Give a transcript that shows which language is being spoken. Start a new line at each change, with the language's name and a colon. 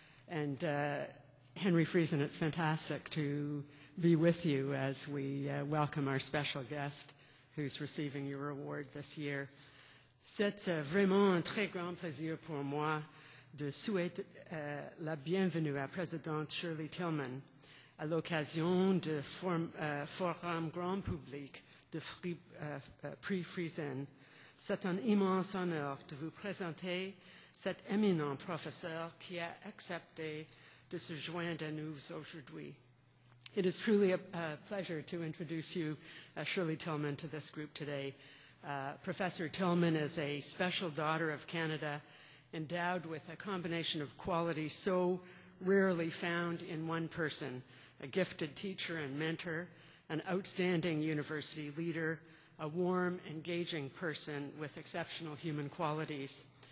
English: And Henry Friesen, it's fantastic to be with you as we welcome our special guest who's receiving your award this year.
French: C'est vraiment un très grand plaisir pour moi de souhaiter la bienvenue à Présidente Shirley Tilghman à l'occasion du forum grand public de Prix Friesen. C'est un immense honneur de vous présenter cet éminent professeur qui a accepté de se joindre à nous aujourd'hui.
English: It is truly a pleasure to introduce you, Shirley Tilghman, to this group today. Professor Tilghman is a special daughter of Canada, endowed with a combination of qualities so rarely found in one person, a gifted teacher and mentor, an outstanding university leader, a warm, engaging person with exceptional human qualities.